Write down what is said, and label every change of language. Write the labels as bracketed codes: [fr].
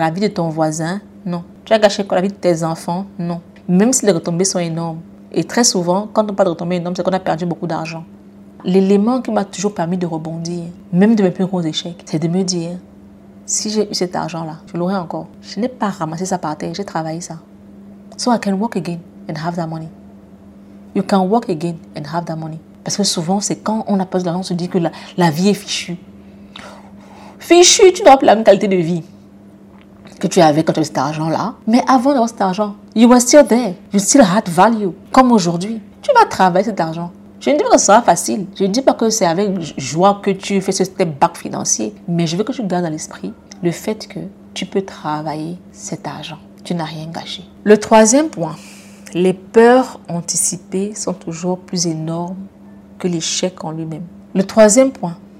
[fr] La vie de ton voisin? Non. Tu as gâché quoi? La vie de tes enfants? Non. Même si les retombées sont énormes. Et très souvent, quand on parle de retombées énormes, c'est qu'on a perdu beaucoup d'argent. L'élément qui m'a toujours permis de rebondir, même de mes plus gros échecs, c'est de me dire, si j'ai eu cet argent-là, je l'aurai encore. Je n'ai pas ramassé ça par terre, j'ai travaillé ça. [en] So I can work again and have that money. You can work again and have that money. [fr] Parce que souvent, c'est quand on a pas de l'argent, on se dit que la vie est fichue. Fichue, tu n'auras plus la même qualité de vie que tu avais quand tu avais cet argent-là. Mais avant d'avoir cet argent, [en] you were still there. You still had value. [fr] Comme aujourd'hui, tu vas travailler cet argent. Je ne dis pas que ce sera facile. Je ne dis pas que c'est avec joie que tu fais ce step back financier. Mais je veux que tu gardes à l'esprit le fait que tu peux travailler cet argent. Tu n'as rien gâché. Le troisième point. Les peurs anticipées sont toujours plus énormes que l'échec en lui-même. Le troisième point.